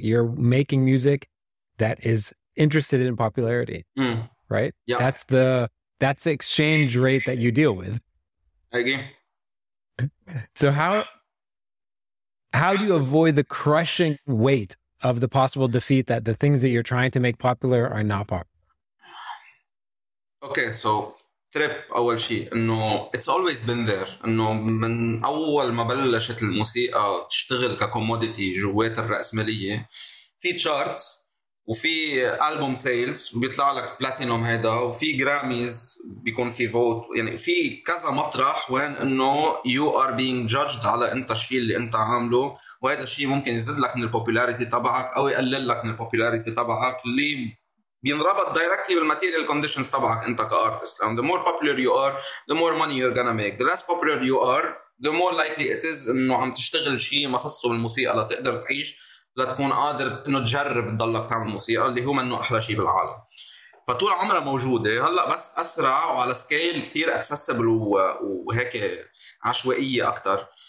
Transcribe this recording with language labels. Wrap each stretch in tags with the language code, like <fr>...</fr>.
<en>You're making music that is interested in popularity, right? Yeah. That's the exchange rate that you deal with. Again. So how do you avoid the crushing weight of the possible defeat that the things that you're trying to make popular are not popular?</en> <ar>Okay, so trip أول شيء إنه</ar> <en>it's always been there</en> <ar>إنه من أول ما بلشت الموسيقى تشتغل ككوموديتي جوات الرأسمالية في charts وفي album sales بيطلع لك platinum هذا وفي Grammys بيكون في vote يعني في كذا مطرح وين إنه</ar> <en>you are being judged</en> <ar>على أنت الشيء اللي أنت عامله وهذا الشيء ممكن يزيد لك من popularity تبعك أو يقلل لك من popularity تبعك اللي بينربط directly بالmaterial conditions تبعك انت كartist.</ar> <en>And the more popular you are, the more money you're gonna make. The less popular you are, the more likely it is</en> <ar>انه عم تشتغل شيء ما خصه بالموسيقى لتقدر تعيش لتكون قادر انه تجرب تضلك تعمل موسيقى اللي هو منه احلى شيء بالعالم. فطول عمره موجودة. هلأ بس اسرع وعلى scale كتير accessible وهيك عشوائية اكتر.</ar>